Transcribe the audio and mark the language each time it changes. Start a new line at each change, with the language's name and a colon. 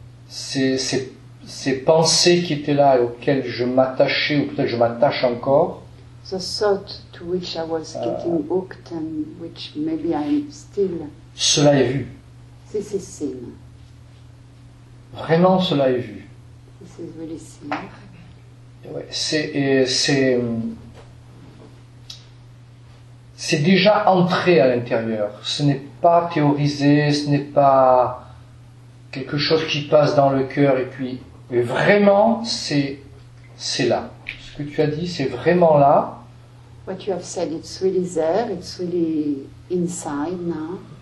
French: c'est ces pensées qui étaient là et auxquelles je m'attachais ou peut-être je m'attache encore.
English: The thought to which I was getting hooked and which maybe I'm still.
French: Cela est vu.
English: This is seen.
French: Vraiment, cela est vu.
English: This is really seen.
French: Ouais, c'est déjà entré à l'intérieur. Ce n'est pas théorisé, ce n'est pas quelque chose qui passe dans le cœur et puis. Mais vraiment, c'est là. Ce que tu as dit, c'est vraiment là.
English: What you have said, it's really there, it's really inside now.